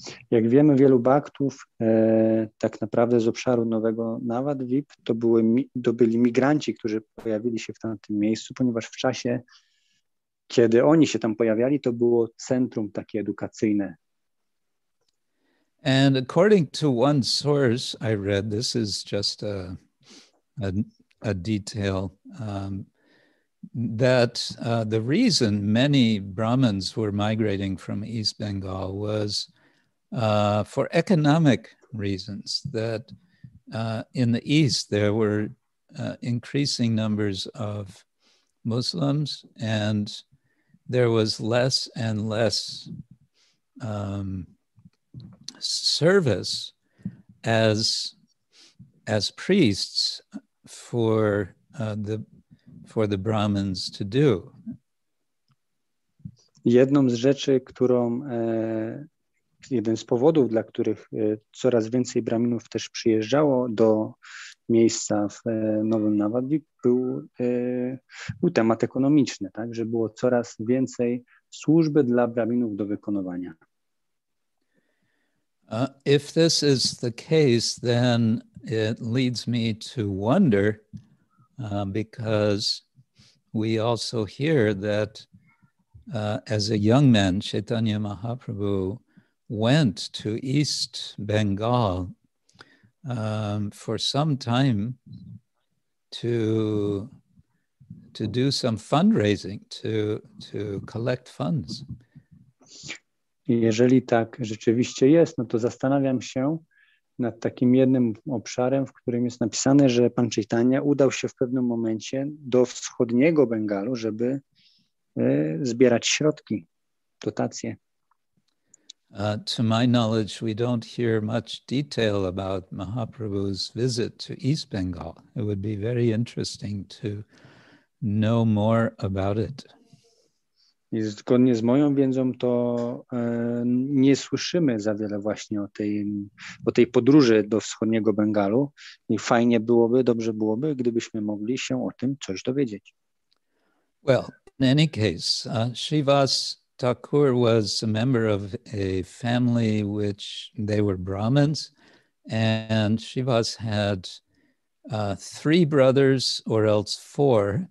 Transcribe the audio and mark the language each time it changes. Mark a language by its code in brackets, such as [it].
[pl] Jak wiemy, wielu baktów tak naprawdę z obszaru Nowego Navadvip to byli migranci, którzy pojawili się w tamtym miejscu, ponieważ w czasie, kiedy oni się tam pojawiali, to było centrum takie edukacyjne. [en] And according to one source I read, this is just a detail, that the reason many Brahmins were migrating from East Bengal was for economic reasons, that in the East there were increasing numbers of Muslims and there was less and less service as priests for the Brahmins to do. [pl] Jedną z rzeczy, którą jeden z powodów, dla których coraz więcej Brahminów też przyjeżdżało do miejsca w Nowym Navadvip, był temat ekonomiczny, tak, że było coraz więcej służby dla Brahminów do wykonywania. [en] If this is the case, then it leads me to wonder, because we also hear that as a young man, Chaitanya Mahaprabhu went to East Bengal for some time to do some fundraising, to collect funds. [pl] Jeżeli tak rzeczywiście jest, no to zastanawiam się nad takim jednym obszarem, w którym jest napisane, że pan Chaitanya udał się w pewnym momencie do wschodniego Bengalu, żeby zbierać środki, dotacje. [en] To my knowledge, we don't hear much detail about Mahaprabhu's visit to East Bengal. It would be very interesting to know more about it. [pl] I zgodnie z moją wiedzą, to nie słyszymy za wiele właśnie o tej podróży do wschodniego Bengalu. I fajnie byłoby, dobrze byłoby, gdybyśmy mogli się o tym coś dowiedzieć. [en] Well, in any case, Shivas Thakur was a member of a family which they were Brahmins, and Shivas had three brothers, or else four.